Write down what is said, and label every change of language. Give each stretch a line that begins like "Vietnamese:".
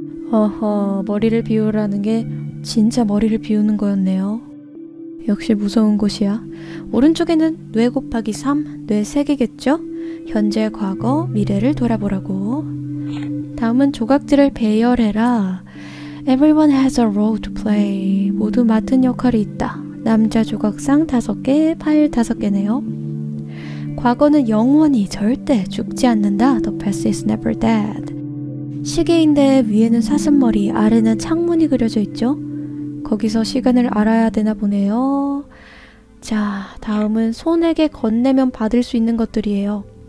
Korean: 어허, 머리를 비우라는 게 진짜 머리를 비우는 거였네요. 역시 무서운 곳이야. 오른쪽에는 뇌 곱하기 3, 뇌 3개겠죠? 현재, 과거, 미래를 돌아보라고. 다음은 조각들을 배열해라.
English: Everyone has a role to play.
Korean: 모두 맡은 역할이 있다. 남자 조각상 5개, 파일 5개네요. 과거는 영원히 절대 죽지 않는다.
English: The past is never dead.
Korean: 시계인데 위에는 사슴머리, 아래는 창문이 그려져 있죠? 거기서 시간을 알아야 되나 보네요. 자, 다음은 손에게 건네면 받을 수 있는 것들이에요.